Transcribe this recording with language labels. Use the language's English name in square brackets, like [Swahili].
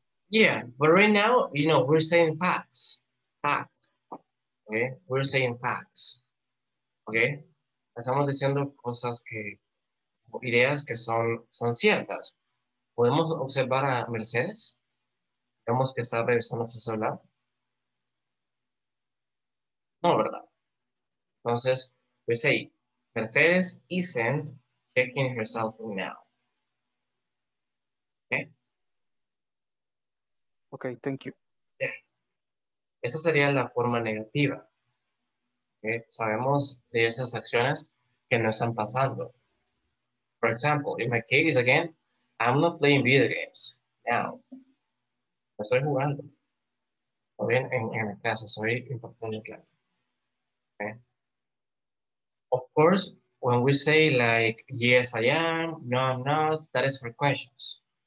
[English] Yeah, but right now, you know, we're saying facts, okay? We're saying facts, okay? [Spanish] Estamos diciendo cosas que, ideas que son ciertas. ¿Podemos observar a Mercedes? ¿Vemos que está revisando su celular? No, ¿verdad? Entonces, [English] we say, Mercedes isn't checking herself now. Okay, thank you. [Spanish] Yeah. Esa sería la forma negativa. Okay? Sabemos de esas acciones que no están pasando. [English] For example, in my case, again, I'm not playing video games now. [Spanish] No estoy jugando. O bien en la clase, soy importante en clase. [English] Okay? Of course, when we say like, yes, I am, no, I'm not, that is for questions.